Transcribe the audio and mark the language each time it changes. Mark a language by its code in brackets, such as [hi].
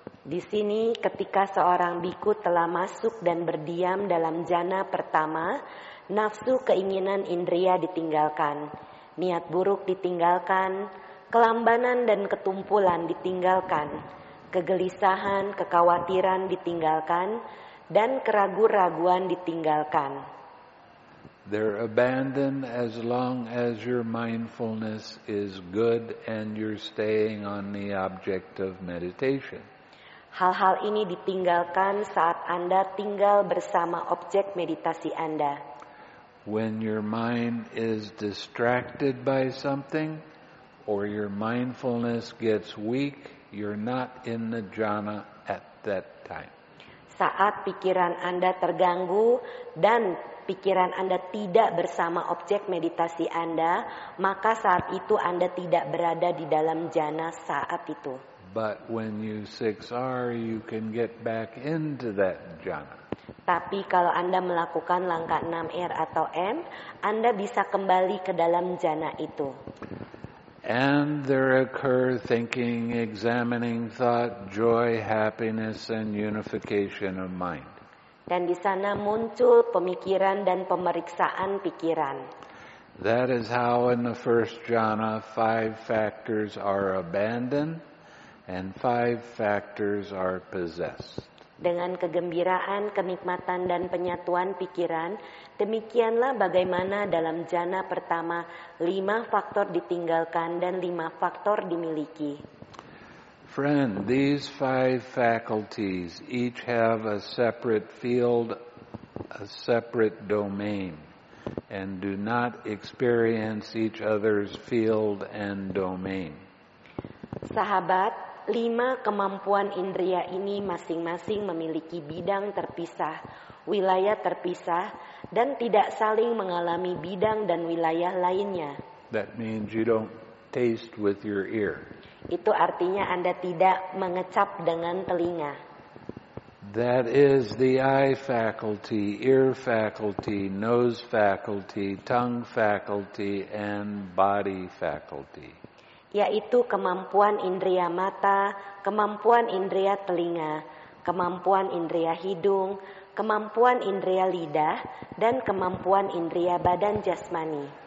[id] Di sini ketika seorang bhikkhu telah masuk dan berdiam dalam jhana pertama, nafsu keinginan indria ditinggalkan, niat buruk ditinggalkan, kelambanan dan ketumpulan ditinggalkan, kegelisahan, kekhawatiran ditinggalkan, dan keragu-raguan ditinggalkan. [en] They're abandoned as long as your mindfulness is good and you're staying on the object of meditation. [id] Hal-hal ini ditinggalkan saat Anda tinggal bersama objek meditasi Anda. [en] When your mind is distracted by something or your mindfulness gets weak, you're not in the jhana at that time. [id] Saat pikiran Anda terganggu dan pikiran Anda tidak bersama objek meditasi Anda, maka saat itu Anda tidak berada di dalam jhana saat itu. [en] But when you 6R, you can get back into that jhana. [id] Tapi kalau Anda melakukan langkah 6R atau N, Anda bisa kembali ke dalam jhana itu. [en] And there occur thinking, examining thought, joy, happiness, and unification of mind. [id] Dan di sana muncul pemikiran dan pemeriksaan pikiran. [en] That is how in the first jhana, 5 factors are abandoned and 5 factors are possessed. [id] Dengan kegembiraan, kenikmatan, dan penyatuan pikiran, demikianlah bagaimana dalam jhana pertama, 5 faktor ditinggalkan dan 5 faktor dimiliki. [en] Friend, these 5 faculties each have a separate field, a separate domain, and do not experience each other's field and domain. [id] Sahabat, 5 kemampuan indria ini masing-masing memiliki bidang terpisah, wilayah terpisah, dan tidak saling mengalami bidang dan wilayah lainnya. [en] That means you don't taste with your ear. [id] Itu artinya Anda tidak mengecap dengan telinga. [en] That is the eye faculty, ear faculty, nose faculty, tongue faculty, and body faculty. [id] Yaitu kemampuan indria mata, kemampuan indria telinga, kemampuan indria hidung, kemampuan indria lidah, dan kemampuan indria badan jasmani.